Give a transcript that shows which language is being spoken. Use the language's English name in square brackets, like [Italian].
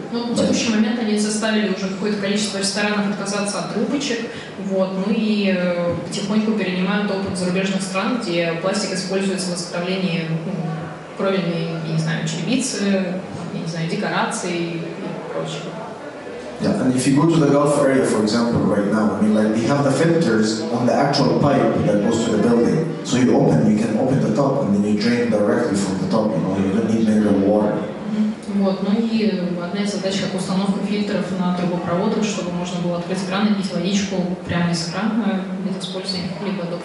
[Russian] Ну, в текущий момент они заставили уже какое-то количество ресторанов отказаться от трубочек, вот, ну и потихоньку перенимают опыт зарубежных стран, где пластик используется в изготовлении, ну, кровельной, я не знаю, черепицы, я не знаю, декораций и прочего. [English] Yeah, and if you go to the Gulf area, for example, right now, I mean, like, they have the filters on the actual pipe that goes to the building. So you open, you can open the top, and then you drain directly from the top, you know, you don't need mineral water. [Russian] Вот, ну и одна из задач, как установка фильтров на трубопроводах, чтобы можно было открыть кран и пить водичку прямо из крана без использования каких-либо доп.